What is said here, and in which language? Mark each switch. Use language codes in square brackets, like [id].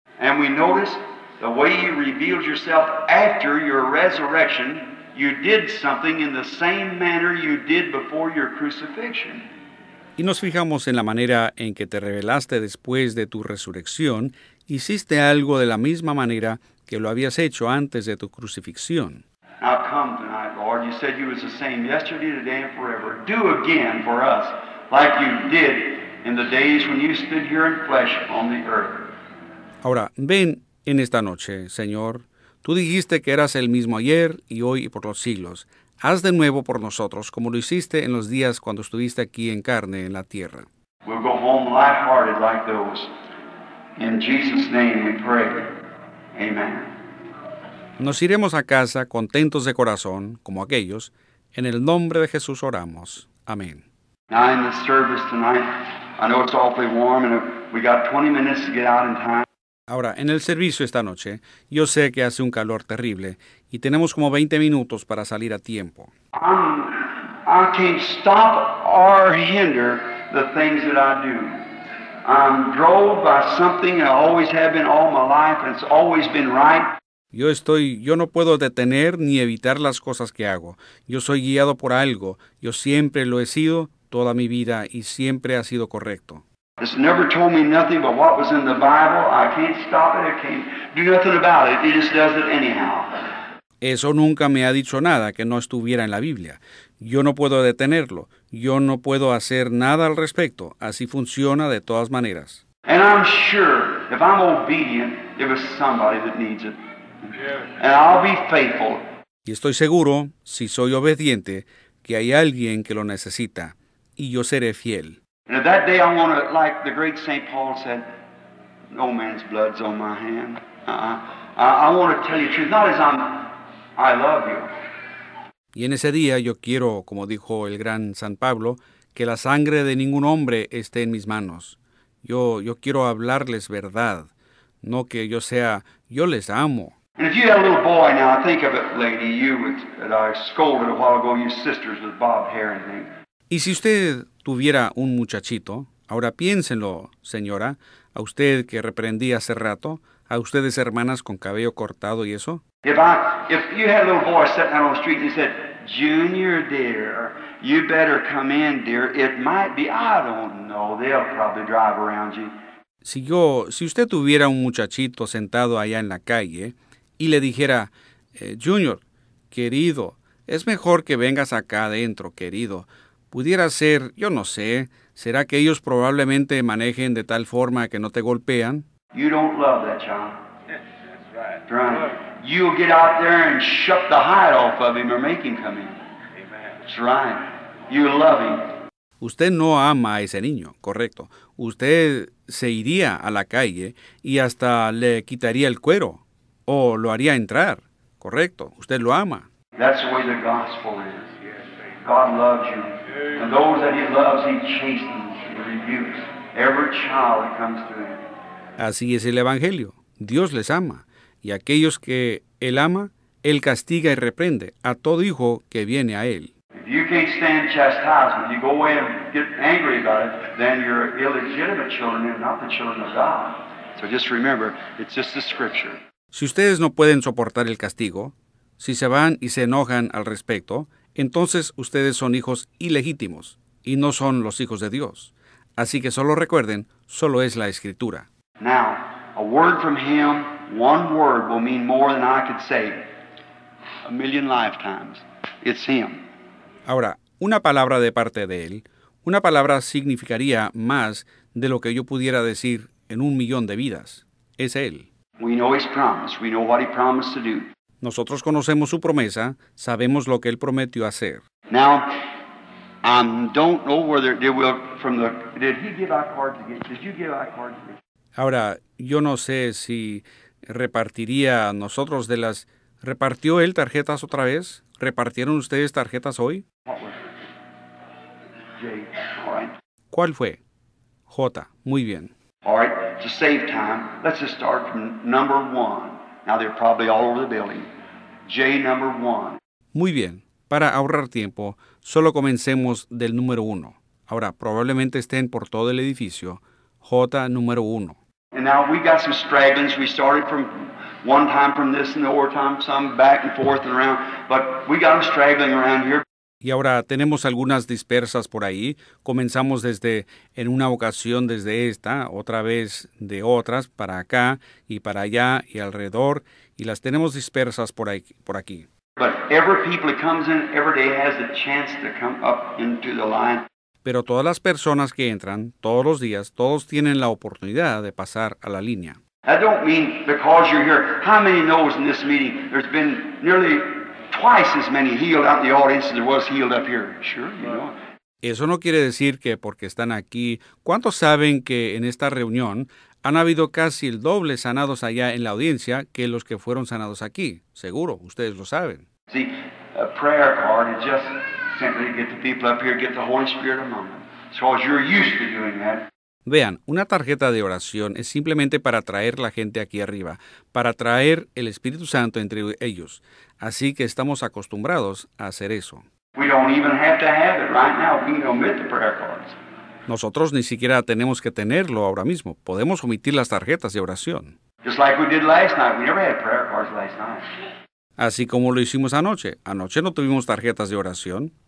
[en] And we notice the way you revealed yourself after your resurrection, you did something in the same manner you did before your crucifixion. [es] Y nos fijamos en la manera en que te revelaste después de tu resurrección, hiciste algo de la misma manera que lo habías hecho antes de tu crucifixión. [en] Now come tonight, Lord. You said you was the same yesterday, today, and forever. Do again for us like you did in the days when you stood here in flesh on the earth. [es] Ahora, ven en esta noche, Señor. Tú dijiste que eras el mismo ayer y hoy y por los siglos. Haz de nuevo por nosotros como lo hiciste en los días cuando estuviste aquí en carne en la tierra. [en] We'll go home lighthearted like those. In Jesus' name we pray. Amen. [es] Nos iremos a casa contentos de corazón, como aquellos. En el nombre de Jesús oramos. Amén. [en] Now in the service tonight, I know it's awfully warm and we got 20 minutes to get out in time. [es] Ahora, en el servicio esta noche, yo sé que hace un calor terrible y tenemos como 20 minutos para salir a tiempo. [en] I can't stop or hinder the things that I do. I'm drove by something I always have been all my life and it's always been right. [es] Yo no puedo detener ni evitar las cosas que hago. Yo soy guiado por algo. Yo siempre lo he sido toda mi vida y siempre ha sido correcto. [en] It's never told me nothing but what was in the Bible. I can't stop it. I can't do nothing about it. It just does it anyhow. [es] Eso nunca me ha dicho nada que no estuviera en la Biblia. Yo no puedo detenerlo. Yo no puedo hacer nada al respecto. Así funciona de todas maneras. [en] And I'm sure if I'm obedient, there is somebody that needs it. Yeah. And I'll be faithful. [es] Y estoy seguro, si soy obediente, que hay alguien que lo necesita. Y yo seré fiel. [en] And at that day, I want to, like the great St. Paul said, no man's blood's on my hand. I want to tell you the truth, not as I love you. [es] Y en ese día, yo quiero, como dijo el gran San Pablo, que la sangre de ningún hombre esté en mis manos. Yo quiero hablarles verdad, no que yo sea, yo les amo. [en] And if you had a little boy now, think of it, lady, you that I scolded a while ago, you sisters with Bob Hare and things. [es] Y si usted tuviera un muchachito, ahora piénsenlo, señora, a usted que reprendí hace rato, a ustedes hermanas con cabello cortado y eso. [en] If you had a little boy sitting out on the street and he said, Junior, dear, you better come in, dear. It might be, I don't know, they'll probably drive around you. [es] Si usted tuviera un muchachito sentado allá en la calle y le dijera, Junior, querido, es mejor que vengas acá adentro, querido. Pudiera ser, yo no sé, ¿será que ellos probablemente manejen de tal forma que no te golpean? [en] You don't love that child. That's right. You'll get out there and shut the hide off of him or make him come in. Amen. That's right. You love him. [es] Usted no ama a ese niño, correcto. Usted se iría a la calle y hasta le quitaría el cuero o lo haría entrar, correcto. Usted lo ama. [en] That's the way the gospel is. God loves you. And those that he loves, he chastens and rebukes every child that comes to him. [es] Así es el Evangelio. Dios les ama. Y aquellos que él ama, él castiga y reprende a todo hijo que viene a él. [en] If you can't stand chastisement, you go away and get angry about it, then you're illegitimate children and not the children of God. So just remember, it's just the scripture. [es] Si ustedes no pueden soportar el castigo, si se van y se enojan al respecto, entonces ustedes son hijos ilegítimos y no son los hijos de Dios. Así que solo recuerden, solo es la Escritura. [en] Now, a word from him, one word will mean more than I could say a million lifetimes. It's him. [es] Ahora, una palabra de parte de él, una palabra significaría más de lo que yo pudiera decir en un millón de vidas. Es él. [en] We know his promise. We know what he promised to do. [es] Nosotros conocemos su promesa, sabemos lo que él prometió hacer. [en] Now, I don't know whether they will from the. Did he give our cards again? Did you give our cards again? [es] Ahora, yo no sé si repartiría a nosotros de las. ¿Repartió él tarjetas otra vez? ¿Repartieron ustedes tarjetas hoy? [en] What was it? Jay, all right. [es] ¿Cuál fue? J. Muy bien. [en] All right, to save time, let's just start from number one. Now they're probably all over the building. J number one. [es] Muy bien. Para ahorrar tiempo, solo comencemos del número uno. Ahora, probablemente estén por todo el edificio. J número uno. [en] And now we got some stragglers. We started from one time from this and the other time, some back and forth and around. But we got them straggling around here. [es] Y ahora tenemos algunas dispersas por ahí. Comenzamos desde, en una ocasión desde esta, otra vez de otras, para acá y para allá y alrededor. Y las tenemos dispersas por aquí. [en] But every people that comes in every day has a chance to come up into the line. [es] Pero todas las personas que entran todos los días, todos tienen la oportunidad de pasar a la línea. [en] I don't mean because you're here. How many knows in this meeting there's been nearly twice as many healed out in the audience as there was healed up here? Sure, you know. [es] Eso no quiere decir que porque están aquí, ¿cuántos saben que en esta reunión han habido casi el doble sanados allá en la audiencia que los que fueron sanados aquí? Seguro, ustedes lo saben. [en] See, a prayer card is just simply to get the people up here, get the Holy Spirit among them. So as you're used to doing that. [es] Vean, una tarjeta de oración es simplemente para traer la gente aquí arriba, para traer el Espíritu Santo entre ellos. Así que estamos acostumbrados a hacer eso. [en] We don't even have to have it right now. We can omit the prayer cards. [es] Nosotros ni siquiera tenemos que tenerlo ahora mismo. Podemos omitir las tarjetas de oración. [en] Just like we did last night. We never had prayer cards last night. [es] Así como lo hicimos anoche. Anoche no tuvimos tarjetas de oración.